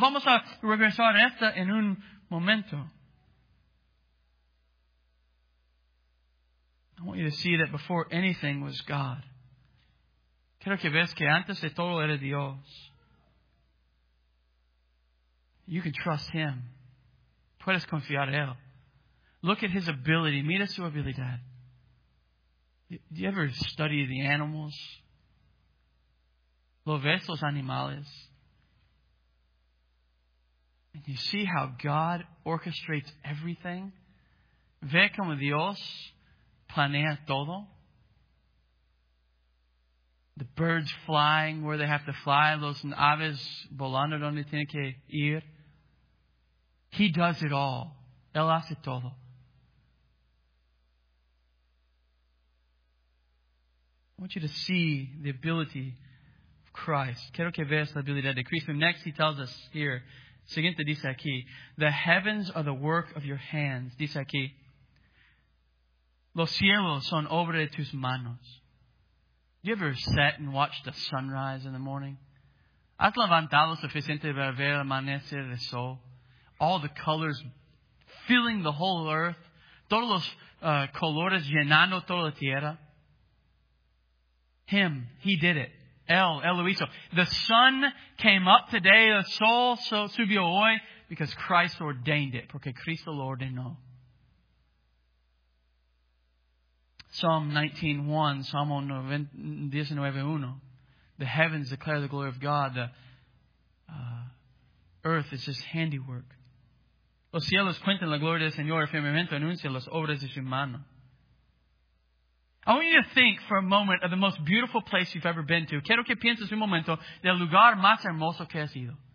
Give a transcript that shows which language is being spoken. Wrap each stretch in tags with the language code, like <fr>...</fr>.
<es>Vamos a regresar a esta en un momento.</es> <en>I want you to see that before anything was God.</en> <es>Quiero que veas que antes de todo era Dios.</es> <en>You can trust Him.</en> <es>Puedes confiar en Él.</es> <en>Look at His ability.</en> <es>Mira su habilidad.</es> <en>Do you ever study the animals?</en> <es>¿Lo ves los animales?</es> <en>And you see how God orchestrates everything?</en> <es>Ve como Dios planea todo.</es> <en>The birds flying where they have to fly.</en> <es>Los aves volando donde tienen que ir.</es> <en>He does it all.</en> <es>Él hace todo.</es> <en>I want you to see the ability of Christ.</en> <es>Quiero que veas la habilidad de Cristo.</es> <en>Next, He tells us here.</en> <es>Siguiente dice aquí.</es> <en>The heavens are the work of your hands.</en> <es>Dice aquí. Los cielos son obra de tus manos.</es> <en>You ever sat and watched the sunrise in the morning?</en> <es>¿Has levantado suficiente para ver el amanecer del sol?</es> <en>All the colors filling the whole earth.</en> <es>Todos los colores llenando toda la tierra.</es> <en>Him. He did it.</en> <es>El lo hizo.</es> <en>The sun came up today, the</en> <es>sol subió hoy,</es> <en>because Christ ordained it.</en> <es>Porque Cristo lo ordenó.</es> <en>Psalm 19:1. The heavens declare the glory of God. The earth is His handiwork.</en> <es>Los cielos cuentan la gloria del Señor. El firmamento anuncia las obras de su mano.</es> <en>I want you to think for a moment of the most beautiful place you've ever been to.</en> <es>Quiero que pienses un momento del lugar más hermoso que has ido.</es>